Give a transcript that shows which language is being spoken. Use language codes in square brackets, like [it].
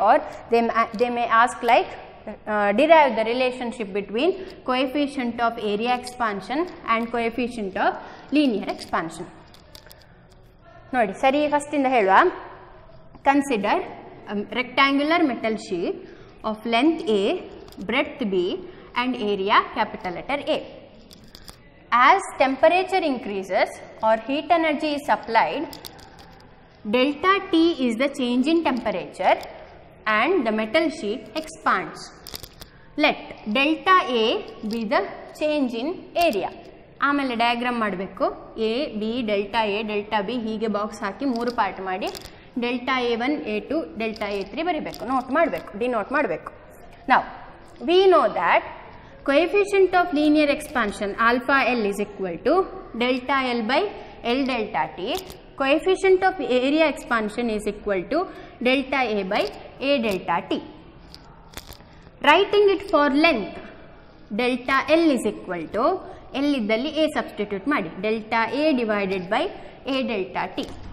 [en] Are they may ask like derive the relationship between coefficient of area expansion and coefficient of linear expansion. [kn] ನೋಡಿ, ಸರಿ, ಫಸ್ಟಿಂದ ಹೇಳುವ. [en] Consider rectangular metal sheet of length A, breadth B and area capital letter A. As temperature increases or heat energy is supplied, delta T is the change in temperature and the metal sheet expands. Let delta A be the change in area. [kn] ಆಮೇಲೆ diagram ಮಾಡಬೇಕು. A B delta A delta B ಹೀಗೆ box ಹಾಕಿ ಮೂರು part ಮಾಡಿ delta A one, A to, delta A three ಬರೀಬೇಕು, note ಮಾಡಬೇಕು, denote ಮಾಡಬೇಕು. ನಾವು [en] We know that coefficient of linear expansion alpha L is equal to delta L by L delta T. Coefficient of area expansion is equal to delta A by A delta T. Writing it for length, delta L is equal to L iddalli A substitute maadi, delta A divided by A delta T.